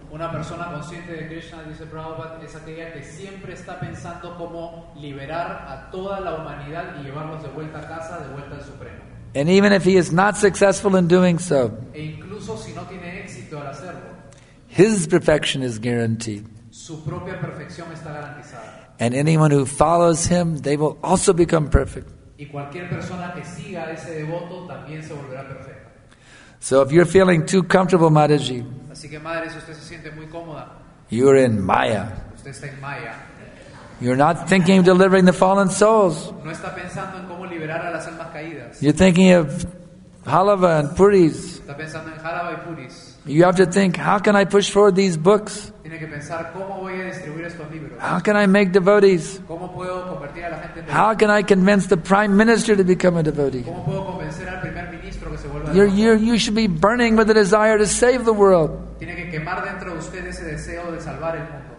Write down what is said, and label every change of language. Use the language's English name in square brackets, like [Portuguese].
[Spanish] Una persona consciente de Krishna, dice Prabhupada, es aquella que siempre está pensando cómo liberar a toda la humanidad y llevarlos de vuelta a casa, de vuelta al Supremo. [English] And even if he is not successful in doing so, [Spanish] e incluso si no tiene éxito al hacerlo, [English] his perfection is guaranteed. [Spanish] Su propia perfección está garantizada. [English] And anyone who follows him, they will also become perfect. [Spanish] Y cualquier persona que siga a ese devoto también se volverá perfecta. [English] So if you're feeling too comfortable, Mataji, [Spanish] así que madre, si usted se siente muy cómoda, [English] you're in Maya. [Spanish] Usted está en Maya. [English] You're not thinking of delivering the fallen souls. [Spanish] No está pensando en cómo liberar a las almas caídas. [English] You're thinking of Halava and Puris. [Spanish] Está pensando en Halava y Puris. [English] You have to think, how can I push forward these books? [Spanish] Tiene que pensar, ¿cómo voy a distribuir estos libros? [English] How can I make devotees? [Spanish] ¿Cómo puedo convertir a la gente en [English] devotees? How can I convince the prime minister to become a devotee? [Spanish] ¿Cómo puedo convencer al primer ministro que se vuelva a [English] devotee? You should be burning with the desire to save the world. [Spanish] Tiene que quemar dentro de usted ese deseo de salvar el mundo.